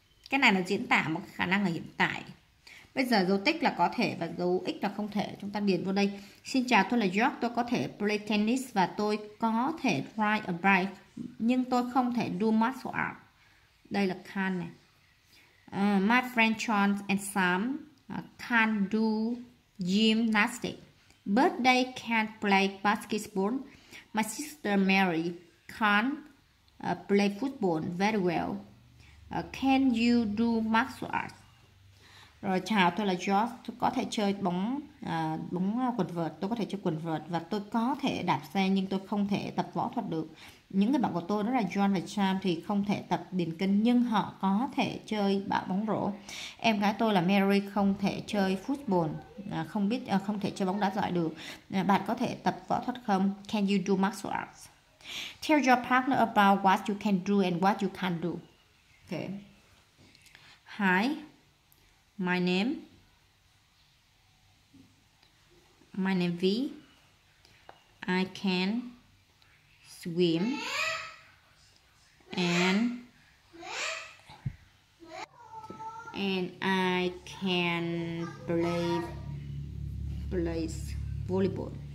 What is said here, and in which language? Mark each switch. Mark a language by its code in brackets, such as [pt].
[vi] Cái này là diễn tả một khả năng ở hiện tại. Bây giờ dấu tích là có thể và dấu x là không thể. Chúng ta điền vô đây. Xin chào, tôi là George. Tôi có thể [en] play tennis [vi] và tôi có thể [en] ride a bike. [vi] Nhưng tôi không thể [en] do martial art. [vi] Đây là can này. [en] My friend John and Sam can't do gymnastics. But they can't play basketball. My sister Mary can't play football very well. Can you do martial arts? [vi] Rồi chào, tôi là George. Tôi có thể chơi bóng bóng quần vợt. Tôi có thể chơi quần vợt và tôi có thể đạp xe nhưng tôi không thể tập võ thuật được. Những người bạn của tôi đó là John và Sam thì không thể tập điền kinh nhưng họ có thể chơi bóng rổ. Em gái tôi là Mary không thể chơi football, không thể chơi bóng đá giỏi được. Bạn có thể tập võ thuật không? [en] Can you do martial arts? Tell your partner about what you can do and what you can't do. Okay. Hi. My name V. I can swim and I can play volleyball.